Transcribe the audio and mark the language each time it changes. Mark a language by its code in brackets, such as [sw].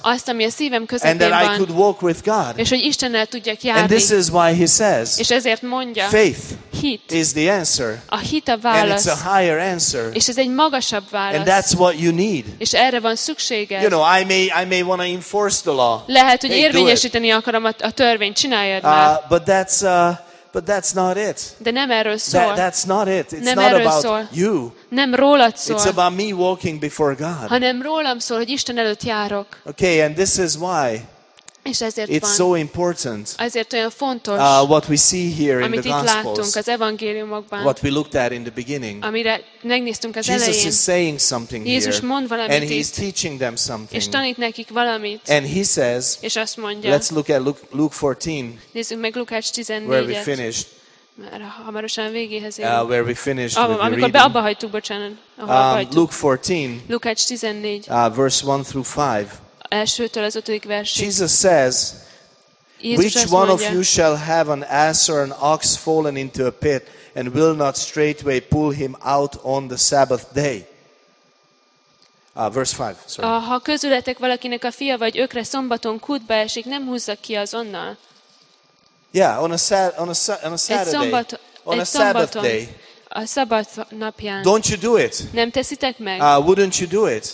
[hu] Azt, ami a szívem közepén van. [en] And that [hu] van. [en] I could walk with God. [hu] És hogy Istennel tudjak járni. [en] And this is why he says. [hu] És ezért mondja. [en] Faith. [hu] Hit. [en] Is the answer. [hu] A hit a válasz. [en] And it's a higher answer. [hu] És ez egy magasabb válasz. [en] And that's what you need. [hu] És erre van szükséged. [en] You know, I may want to enforce the law. [hu] Lehet, hogy hey, érvényesíteni akarom a törvényt, csináljad már. [en] But that's not it. [hu] De nem erről szól. [en] That's not it. It's [hu] nem [en] not about [hu] szól. [en] You. [hu] Nem rólad szól. [en] It's about me walking before God. [hu] Hanem rólam szól, hogy Isten előtt járok. [en] Okay, and this is why. [hu] És ezért [en] it's [hu] van. [en] So important. [hu] Ezért olyan fontos. [en] What we see here in the Gospels. [hu] Amit itt láttunk az evangéliumokban. [en] What we looked at in the beginning. [hu] Amire megnéztünk az [en] Jesus [hu] elején. [en] Jesus is saying something here. [hu] Jézus mond valamit [en] and [hu] itt. [en] And he's teaching them something. [hu] És tanít nekik valamit. [en] And he says. [hu] És azt mondja. [en] Let's look at Luke 14. [hu] Nézzük meg Lukács 14-et. [en] Where we finished. [hu] Hamarosan végéhez érünk. [en] Where we finished [hu] amikor [en] reading. [hu] Abba hagytuk, bocsánat. [en] Luke 14. [hu] Lukács 14. [en] Verse 1 through 5. [hu] Elsőtől az ötödik versig. [en] Jesus says, which one of you shall have an ass or an ox fallen into a pit and will not straightway pull him out on the Sabbath day? Verse 5, sorry. [hu] Ha közületek valakinek a fia vagy ökre szombaton kútba esik, nem húzzak ki azonnal. [en] Yeah, on a Saturday. [hu] Egy szombaton. A szabad napján. [en] Don't you do it? [hu] Nem teszitek meg? [en] Wouldn't you do it?